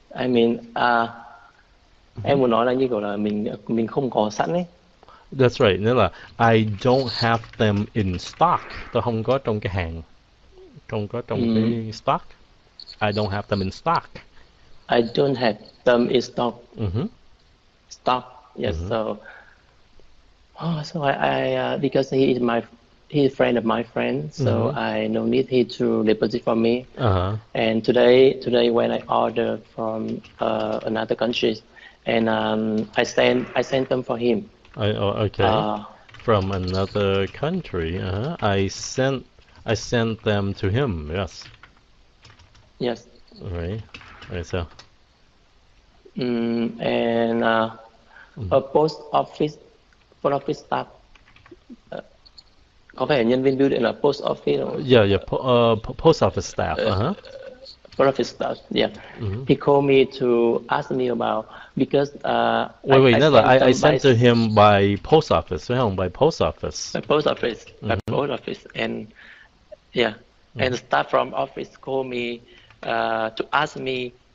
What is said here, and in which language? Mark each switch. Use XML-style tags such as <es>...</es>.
<en>I mean,</en> <vi>em muốn nói là như kiểu là mình không có sẵn ấy.</vi> <en>That's right.</en> <vi>Nên là</vi> <en>I don't have them in stock.</en> <vi>Tôi không có trong cái hàng. Không có trong cái stock.</vi> <en>I don't have them in stock. I don't have them in stock. Mm-hmm. Stop. Yes. Mm-hmm. So I because he's friend of my friend, so mm-hmm. I no need him to deposit for me. Uh-huh. And today when I order from another country, and I send them for him. From another country. Uh-huh. I sent them to him. Yes. Yes. Right. So. A post office, post office staff.</en> <vi>Có phải nhân viên bưu điện là post office không?</vi> <en>Post office staff. Post office staff. Yeah. Mm-hmm. He called me to ask me about because. I sent to him by post office. Right? By post office. By post office. Mm-hmm. By post office and yeah, mm-hmm. And staff from office called me to ask me.</en>